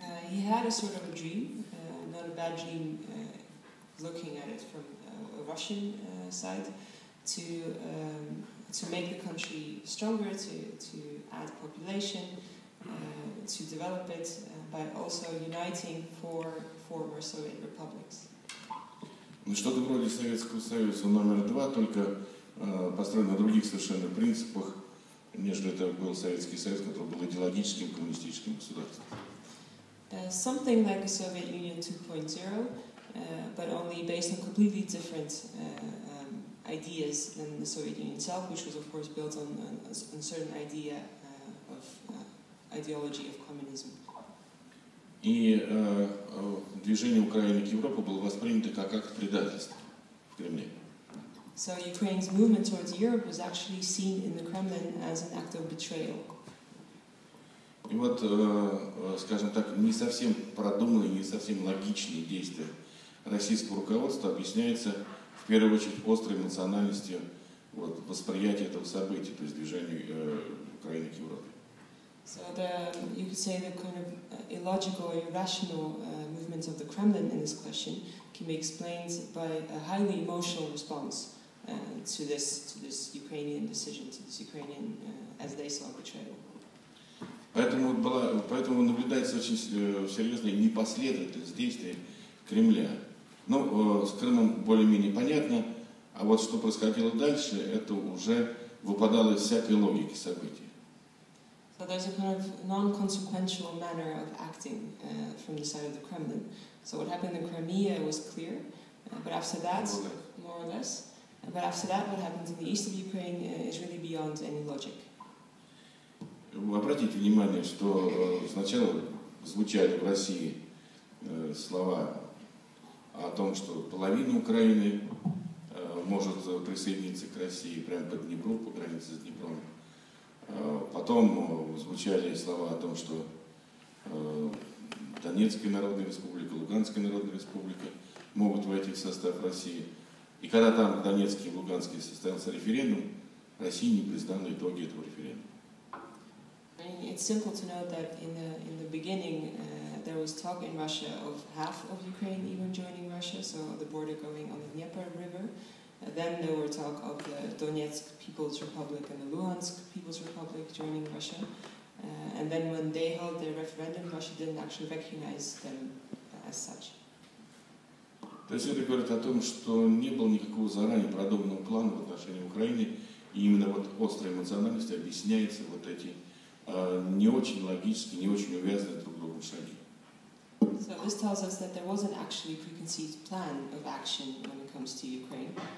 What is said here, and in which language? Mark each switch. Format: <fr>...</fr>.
<en>He had a sort of a dream, not a bad dream looking at it from a Russian side, to make the country stronger, to add population, to develop it, but also uniting four former Soviet republics.</en> <ru>Ну что-то вроде Советского Союза номер два, только построен на других совершенно принципах, нежели это был Советский Союз, который был идеологическим коммунистическим государством.</ru> <en>Something like a Soviet Union 2.0, but only based on completely different ideas than the Soviet Union itself, which was of course built on a certain idea of ideology of communism.</en> <ru>И движение Украины к Европе было воспринято как акт предательства в Кремле.</ru> <en>So Ukraine's movement towards Europe was actually seen in the Kremlin as an act of betrayal.</en> <ru>И вот, скажем так, не совсем продуманные, не совсем логичные действия российского руководства объясняются в первую очередь острой эмоциональностью восприятия этого события, то есть движения Украины к Европе.</ru> <en>So the, you could say the kind of illogical or irrational movements of the Kremlin in this question can be explained by a highly emotional response to this Ukrainian decision, to this Ukrainian, as they saw, betrayal.</en> <ru>Поэтому наблюдается очень серьезная непоследовательность действий Кремля. Ну, с Крымом более-менее понятно, а вот что происходило дальше, это уже выпадало из всякой логики событий.</ru> <en>So there's a kind of non-consequential manner of acting from the side of the Kremlin. So what happened in Crimea was clear, but after that, more or less, but after that, what happened in the east of Ukraine is really beyond any logic.</en> <ru>Обратите внимание, что сначала звучали в России слова о том, что половина Украины может присоединиться к России прямо под Днепром, по границе с Днепром. Потом звучали слова о том, что Донецкая Народная Республика, Луганская Народная Республика могут войти в состав России. И когда там в Донецке и Луганске состоялся референдум, Россия не признала итоги этого референдума.</ru> <en>I mean, it's simple to note that in the beginning there was talk in Russia of half of Ukraine even joining Russia, so the border going on the Dnieper River. Then there were talk of the Donetsk People's Republic and the Luhansk People's Republic joining Russia. And then when they held their referendum, Russia didn't actually recognize them as such.</en> <ru>То есть это говорит о том, что не было никакого заранее продуманного плана в отношении Украины, и именно вот острая эмоциональность объясняется вот эти не очень логически, не очень увязанные друг с другом шаги.</ru> <en>So this tells us that there wasn't actually a preconceived plan of action when it comes to Ukraine.</en>